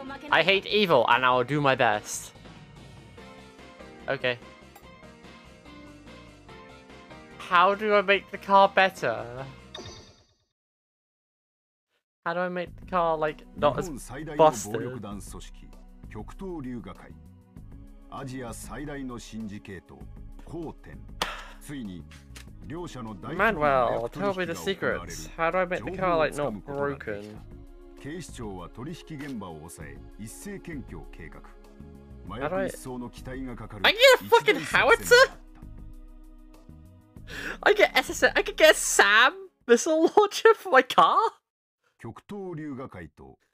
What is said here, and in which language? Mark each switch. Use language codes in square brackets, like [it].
[en] I hate evil and I will do my best. Okay. How do I make the car better? How do I make the car like not as busted? [ja] 日本最大の暴力団組織、極東龍河会。アジア最大のシンジケート、コーテン。ついに両者の大規模な取引が行われる。 [en] How do I make the car like not broken? [ja] 警視庁は取引現場を抑え、一斉検挙を計画。麻薬密送の期待がかかる。 [en] I get a fucking howitzer? I get SS. I could get a SAM missile launcher for my car? [ja] 極東龍河会と